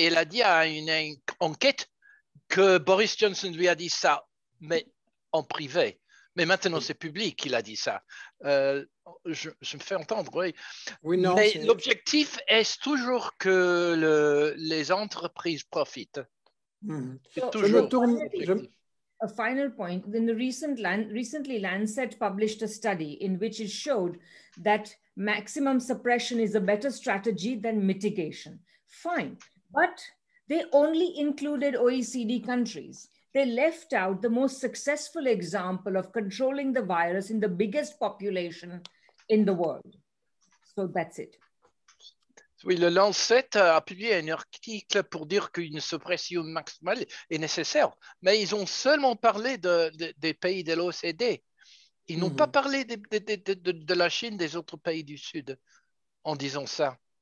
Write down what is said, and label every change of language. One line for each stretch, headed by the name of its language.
French: Et il a dit à une enquête que Boris Johnson lui a dit ça, mais en privé. Mais maintenant, c'est public qu'il a dit ça. Je me fais entendre, oui. Oui, non. Mais l'objectif est toujours que les entreprises profitent. Mmh. Je me tourne.
English: A final point, in the recently Lancet published a study in which it showed that maximum suppression is a better strategy than mitigation. Fine, but they only included OECD countries. They left out the most successful example of controlling the virus in the biggest population in the world. So that's it.
French: Oui, le Lancet a publié un article pour dire qu'une suppression maximale est nécessaire, mais ils ont seulement parlé des pays de l'OCDE. Ils n'ont pas parlé de la Chine, des autres pays du Sud, en disant ça.